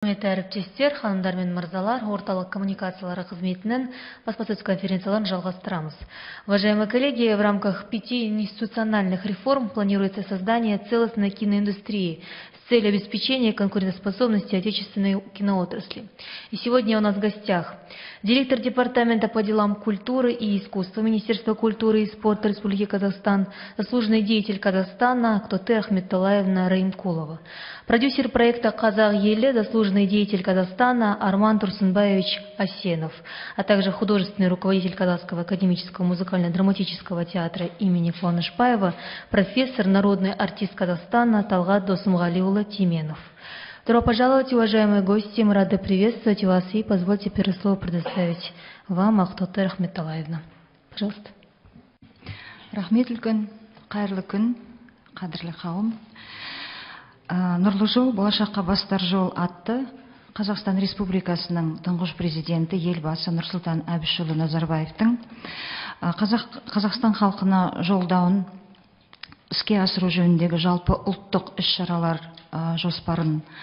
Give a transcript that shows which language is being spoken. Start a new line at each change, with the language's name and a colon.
Kazakh: Құрметті әріптестер, ханымдар мен мырзалар, орталық коммуникациялары қызметінің баспасөз конференцияларын жалғастырамыз.
Russian: Уважаемые коллеги, в рамках пяти институциональных реформ планируется создание целостной киноиндустрии с целью обеспечения конкурентоспособности отечественной киноотрасли. И сегодня у нас в гостях директор департамента по делам культуры и искусства Министерства культуры и спорта Республики Казахстан, заслуженный деятель Казахстана Актоте Ахметтулаевна Раимкулова, продюсер проекта «Казах Еле», заслуженный деятель Казахстана Арман Турсунбаевич Асенов, а также художественный руководитель Казахского академического музыкально-драматического театра имени Фуана Шпаева, профессор, народный артист Казахстана Талгат Досумгалиулы Тименов. Добро пожаловать, уважаемые гости, мы рады приветствовать вас и позвольте первое слово предоставить вам, Актоте Рахметтулаевна. Пожалуйста.
Kazakh: Рахмет үлкен, қайырлы күн, қадірлі қауым. Нұрлы жол, болашаққа бастар жол атты Қазақстан Республикасының тұңғыш президенті елбасы Нұрсұлтан Әбішұлы Назарбаевтың Қазақстан халқына жолдауын іске асыру жөніндегі жалпы ұлттық іс-шаралар жоспарын